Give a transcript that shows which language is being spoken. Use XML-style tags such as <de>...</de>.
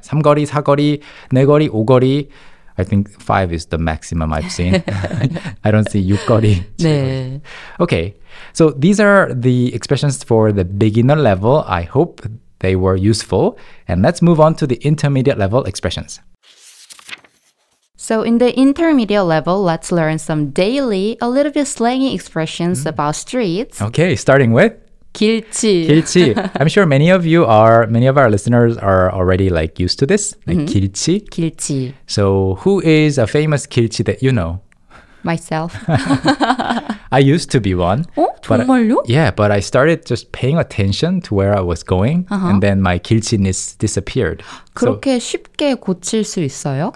<ko>삼거리, 사거리, 네거리, 오거리.</ko> <en>I think five is the maximum I've seen. I don't see 육거리.</en> <ko>네.</ko> <en>Okay. So these are the expressions for the beginner level. I hope they were useful. And let's move on to the intermediate level expressions. So in the intermediate level, let's learn some daily, a little bit slangy expressions about streets. Okay, starting with?</en> <ko>길치. 길치.</ko> <en>I'm sure many of you are, many of our listeners are already like used to this. Like mm-hmm. 길치.</en> <ko>길치.</ko> <en>So who is a famous 길치 that you know? Myself. I used to be one.</en> <ko>어? 정말요?</ko> <en>But I started just paying attention to where I was going. Uh-huh. And then my 길치-ness disappeared.</en> <ko>그렇게 so, 쉽게 고칠 수 있어요?</ko>